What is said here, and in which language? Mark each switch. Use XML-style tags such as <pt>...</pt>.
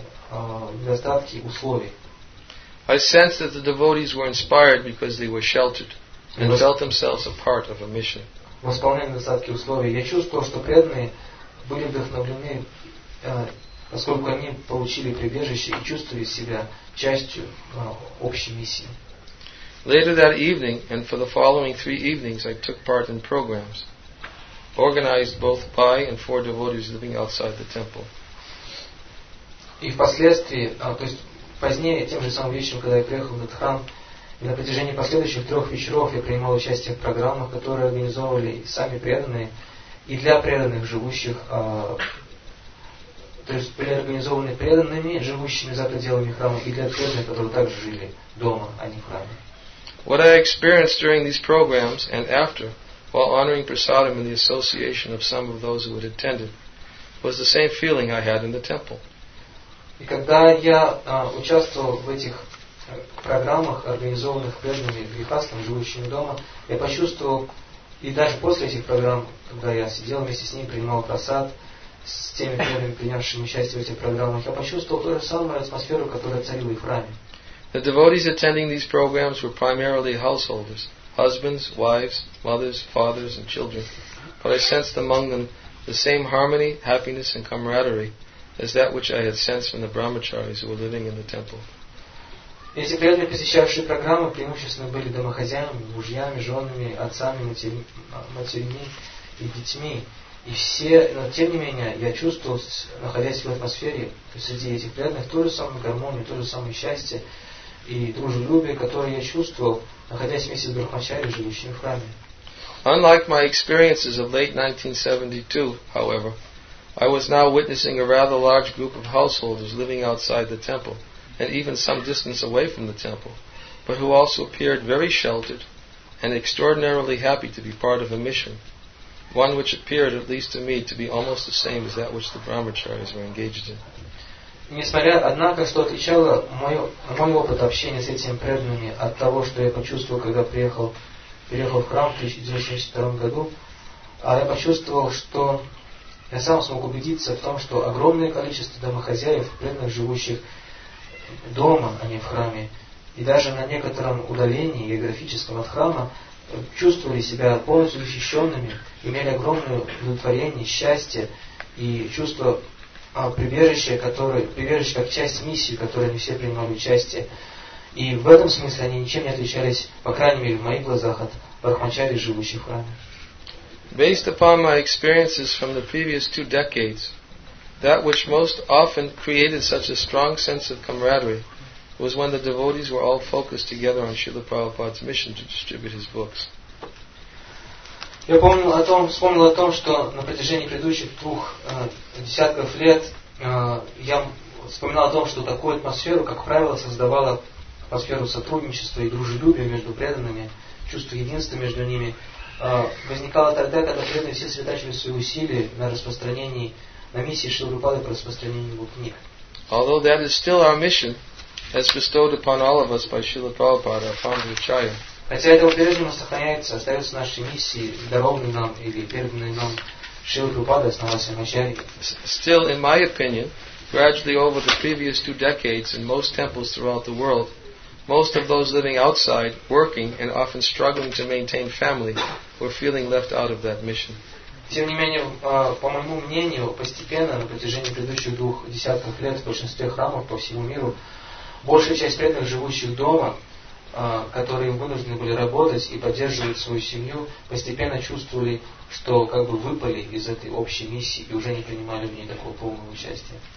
<en>I sensed that the devotees were inspired because they were sheltered and felt themselves a part of a mission.</en> <ru>В исполнении недостатки условий я чувствовал, что преданные были вдохновлены, поскольку они получили прибежище и чувствовали себя частью общей миссии.</ru> <en>Later that evening and for the following three evenings, I took part in programs organized both by and for devotees living outside the temple.</en> <ru>И впоследствии, то есть позднее, тем же самым вечером, когда я приехал в этот храм, и на протяжении последующих трех вечеров я принимал участие в программах, которые организовывали сами преданные, и для преданных живущих, то есть были организованы преданными, живущими за пределами храма, и для преданных, которые также жили дома, а не в храме.</ru> <en>What I experienced during these programs and after, while honoring prasadam in the association of some of those who had attended, was the same feeling I had in the temple.</en> <ru>И когда я участвовал в этих программах, организованных преданными грехастами, живущими дома, я почувствовал, и даже после этих программ, когда я сидел вместе с ним, принимал просад с теми преданными, принявшими участие в этих программах, я почувствовал ту же самую атмосферу, которая царила и в храме.</ru> <en>The devotees attending these programs were primarily householders, husbands, wives, mothers, fathers, and children. But I sensed among them the same harmony, happiness, and camaraderie as that which I had sensed from the brahmacharis who were living in the temple.</en> <ru>Эти преданные, посещавшие программы, преимущественно были домохозяевами, мужьями, женами, отцами, матерями и детьми. И все, но тем не менее, я чувствовал, находясь в атмосфере среди этих преданных, ту же самую гармонию, то же самое счастье и дружелюбие, которое я чувствовал, находясь вместе с брахмачари, живущими в храме.</ru> <en>Unlike my experiences of late 1972, however, I was now witnessing a rather large group of householders living outside the temple, and even some distance away from the temple, but who also appeared very sheltered and extraordinarily happy to be part of a mission, one which appeared, at least to me, to be almost the same as that which the brahmacharis were engaged in.</en> <ru>Несмотря, однако, что отличало мой опыт общения с этими преданными от того, что я почувствовал, когда приехал в храм в 1972 году, а я почувствовал, что я сам смог убедиться в том, что огромное количество домохозяев, преданных, живущих дома, а не в храме, и даже на некотором удалении географическом от храма, чувствовали себя полностью защищенными, имели огромное удовлетворение, счастье и чувство прибежища как часть миссии, в которой они все принимали участие. И в этом смысле они ничем не отличались, по крайней мере, в моих глазах, от брахмачари, живущих в храме.</ru> <en>Based upon my experiences from the previous two decades, that which most often created such a strong sense of camaraderie was when the devotees were all focused together on Srila Prabhupada's mission to distribute his books.</en> <ru>Я помню о том, вспомнил о том, что на протяжении предыдущих двух десятков лет я вспоминал о том, что такую атмосферу, как правило, создавала атмосферу сотрудничества и дружелюбия между преданными, чувство единства между ними, возникало тогда, когда преданные все сосредоточили свои усилия на распространении, на миссии Шрилы Прабхупады по распространению его книг.</ru> <en>Although that is still our mission, as bestowed upon all of us by Srila Prabhupada, our founder Acharya.</en> <ru>Хотя это по-прежнему сохраняется, остается нашей миссией, дарованной нам или переданной нам Шрилой Прабхупадой, основателем Ачарьи.</ru> <en>Still, in my opinion, gradually over the previous two decades in most temples throughout the world, most of those living outside, working, and often struggling to maintain family, were feeling left out of that mission.</en> <ru>Тем не менее, по моему мнению, постепенно на протяжении предыдущих двух десятков лет в большинстве храмов по всему миру большая часть преданных, живущих дома, которые вынуждены были работать и поддерживать свою семью, постепенно чувствовали, что как бы выпали из этой общей миссии и уже не принимали в ней такого полного участия.</ru>